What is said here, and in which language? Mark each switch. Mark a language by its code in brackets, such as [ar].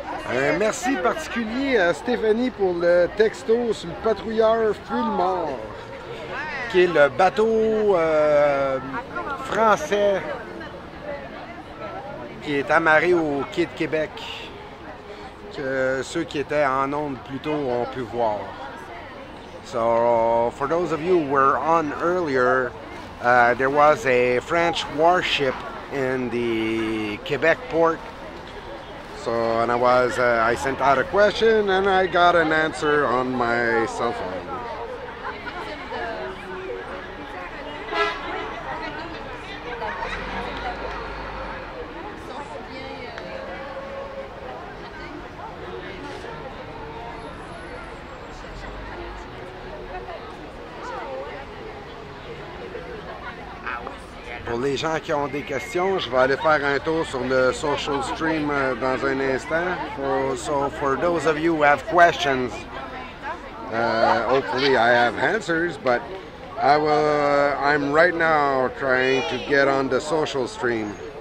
[fr] Un merci particulier à Stéphanie pour le texto sur le patrouilleur Fulmore, qui est le bateau français qui est amarré au quai de Québec. Ceux qui étaient en onde plus tôt ont pu voir. [en] So, for those of you who were on earlier, there was a French warship in the Quebec port. So, and I sent out a question and I got an answer on my cell phone. [fr] Les gens qui ont des questions, je vais aller faire un tour sur le social stream dans un instant. [en] So for those of you who have questions, hopefully I have answers, but I'm right now trying to get on the social stream.